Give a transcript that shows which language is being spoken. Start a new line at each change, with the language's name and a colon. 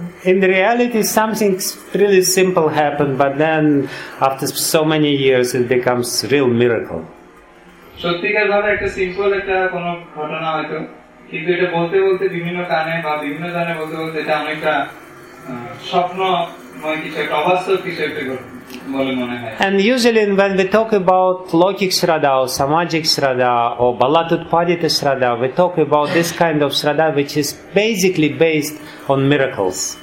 English: In reality, something really simple happened, but then after so many years, it becomes real miracle.
Bangla: সত্যিকার ভাবে একটা simple একটা কোনো ঘটনা হয়তো, কিন্তু এটা বলতে বলতে বিভিন্ন কানে বা বিভিন্ন জনে বলতে বলতে এটা অনেকটা স্বপ্নময় কিছু একটা, অবাস্তব কিছু একটা ঘটনা।
English: And usually when we talk about Laukik Shraddha or Samajik Shraddha or Balat Utpadita Shraddha, we talk about this kind of Shraddha which is basically based on miracles.